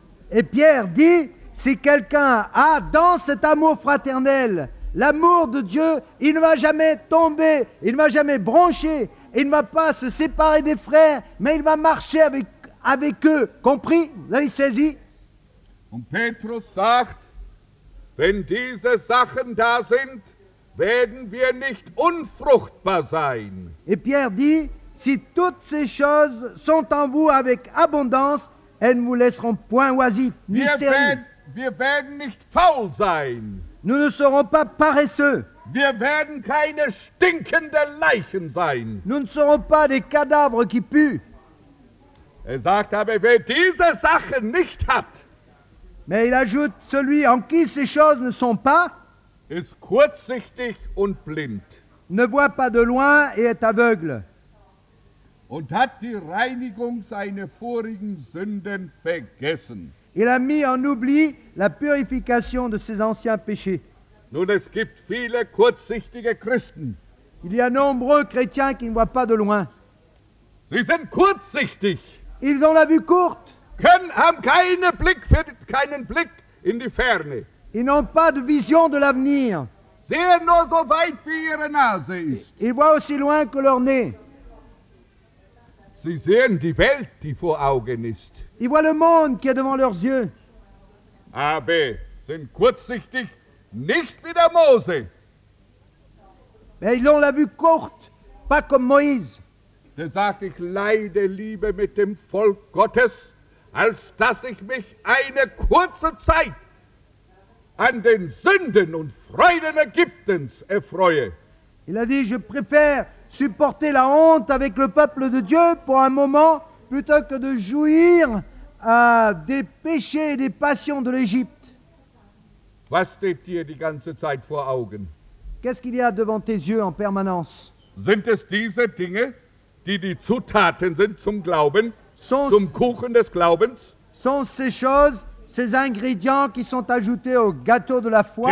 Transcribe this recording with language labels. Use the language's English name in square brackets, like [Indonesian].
[French] Et Pierre dit, si quelqu'un a dans cet amour fraternel l'amour de Dieu, il ne va jamais tomber, il ne va jamais broncher, il ne va pas se séparer des frères, mais il va marcher avec eux. Compris? Vous avez saisi? [German] Und Petrus sagt, wenn diese Sachen da sind, werden wir nicht unfruchtbar sein. [French] Et Pierre dit, si toutes ces choses sont en vous avec abondance, elles ne vous laisseront point oisifs, ni stériles. [German] Wir werden nicht faul sein. [French] Nous ne serons pas paresseux. [German] Wir werden keine stinkende Leichen sein. [French] Nous ne serons pas des cadavres qui puent. [German] Er sagt aber, wer diese Sachen nicht hat, [French] mais il ajoute, celui en qui ces choses ne sont pas, [German] ist kurzsichtig und blind, [French] ne voit pas de loin et est aveugle, [German] und hat die Reinigung seiner vorigen Sünden vergessen. [French] Il a mis en oubli la purification de ses anciens péchés. [German] Nun, es gibt viele kurzsichtige Christen. [French] Il y a nombreux chrétiens qui ne voient pas de loin. [German] Sie sind kurzsichtig. [French] Ils ont la vue courte. [German] Haben keinen Blick in die Ferne. [French] Ils n'ont pas de vision de l'avenir. [German] Sehen nur so weit wie ihre Nase ist. [French] Ils voient aussi loin que leur nez. [German] Sie sehen die Welt, die vor Augen ist. [French] Ils voient le monde qui est devant leurs yeux. [German] Aber sind kurzsichtig, nicht wie der Mose. [French] Mais ils ont la vue courte, pas comme Moïse. [German] Der sagt, ich leide lieber mit dem Volk Gottes, als dass ich mich eine kurze Zeit an den Sünden und Freuden Ägyptens erfreue. [French] Il a dit, je préfère supporter la honte avec le peuple de Dieu pour un moment plutôt que de jouir des péchés et des passions de l'Égypte. [German] Was steht dir die ganze Zeit vor Augen? [French] Qu'est-ce qu'il y a devant tes yeux en permanence? [German] Sind es diese Dinge, die Zutaten sind zum Glauben, zum Kuchen des Glaubens? [French] Sont ces choses, ces ingrédients qui sont ajoutés au gâteau de la foi?